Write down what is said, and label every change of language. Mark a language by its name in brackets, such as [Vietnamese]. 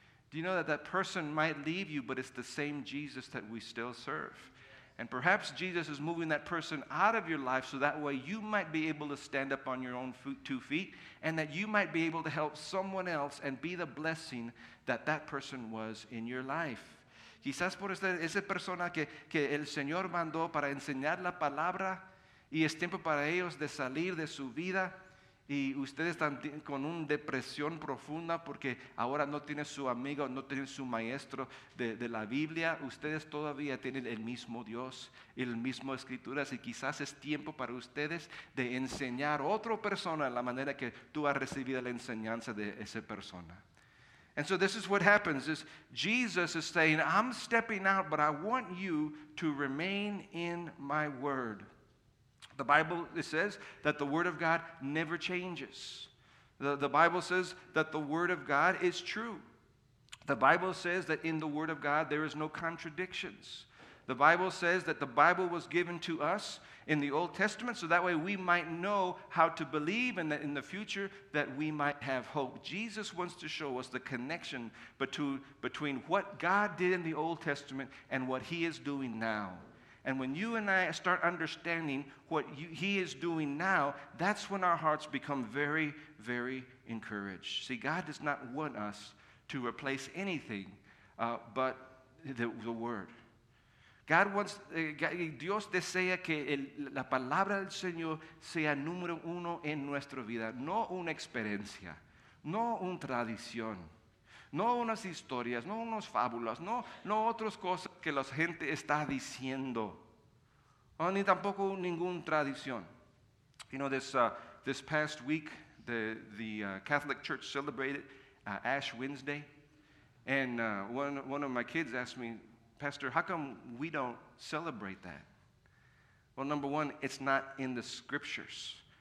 [English] Do you know that that person might leave you, but it's the same Jesus that we still serve? And perhaps Jesus is moving that person out of your life so that way you might be able to stand up on your own two feet and that you might be able to help someone else and be the blessing that that person was in your life. [Spanish] Quizás por esa persona que el Señor mandó para enseñar la palabra y es tiempo para ellos de salir de su vida y ustedes están con una depresión profunda porque ahora no tienen su amigo, no tienen su maestro de la Biblia. Ustedes todavía tienen el mismo Dios, el mismo Escrituras, y quizás es tiempo para ustedes de enseñar a otra persona la manera que tú has recibido la enseñanza de esa persona. [English] And so this is what happens, is Jesus is saying, I'm stepping out, but I want you to remain in my word. The Bible, it says that the word of God never changes. The Bible says that the word of God is true. The Bible says that in the word of God there is no contradictions. The Bible says that the Bible was given to us in the Old Testament so that way we might know how to believe and that in the future that we might have hope. Jesus wants to show us the connection between what God did in the Old Testament and what he is doing now. And when you and I start understanding what he is doing now, that's when our hearts become very, very encouraged. See, God does not want us to replace anything but the word. God wants, [Spanish] Dios desea que la palabra del Señor sea número uno en nuestra vida. No una experiencia, no una tradición. No unas historias, no unas fábulas, no otras cosas que la gente está diciendo. Oh, ni tampoco ninguna tradición. [English] You know, this past week, the Catholic Church celebrated Ash Wednesday, and one of my kids asked me, Pastor, how come we don't celebrate that? Well, number one, it's not in the scriptures.